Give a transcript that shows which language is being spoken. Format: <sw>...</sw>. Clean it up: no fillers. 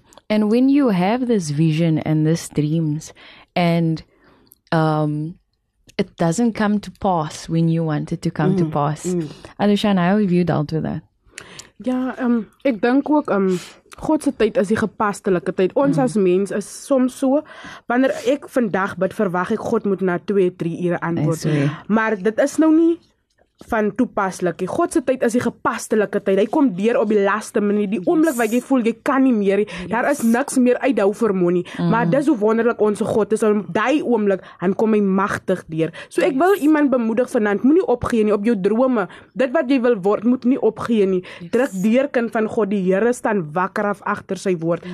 <en>And when you have this vision and this dreams and it doesn't come to pass when you want it to come to pass. Anushan, how have you dealt with that?</en> <af>Ja, ek dink ook God se tyd is die gepastelike tyd. Ons as mens is soms so wanneer ek vandag bid, verwag ek God moet na 2-3 ure antwoord. Maar dit is nou nie van toepaslik. God se tyd is die gepastelike tyd. Hy kom deur op die laaste minuut, die oomblik wat jy voel jy kan nie meer nie. Daar is niks meer uit hou vir moenie. Maar dis hoe wonderlik ons God is. Op daai oomblik dan kom hy magtig deur. So ek wil iemand bemoedig vanaand, moenie opgee nie op jou drome. Dit wat jy wil word, moet nie opgee nie. Druk deur kind van God. Die Here staan wakker af agter sy woord.</af>